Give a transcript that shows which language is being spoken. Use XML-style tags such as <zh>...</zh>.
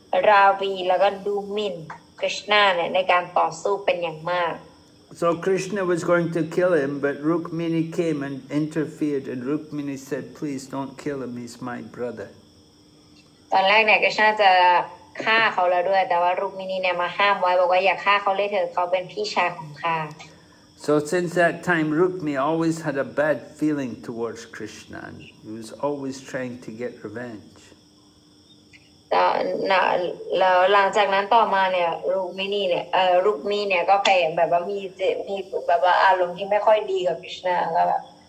<th>ราวีแล้วก็ดูมินคริชนาเนี่ยในการต่อสู้เป็นอย่างมาก</th> <en>So Krishna was going to kill him, but Rukmini came and interfered, and Rukmini said, "Please don't kill him. He's my brother."</en> <th>ตอนแรกเนี่ยคริชนาจะฆ่าเขาแล้วด้วยแต่ว่ารุกมินีเนี่ยมาห้ามไว้บอกว่าอย่าฆ่าเขาเลยเถอะเขาเป็นพี่ชายของข้า</th> <en>So since that time, Rukmini always had a bad feeling towards Krishna. He was always trying to get revenge.</en> <th>แล้วหลังจากนั้นต่อมาเนี่ยรุกมินีเนี่ยรุกมินีเนี่ยก็เคยแบบว่ามีจิตมีแบบว่าอารมณ์ที่ไม่ค่อยดีกับคริชนาก็แบบ</th>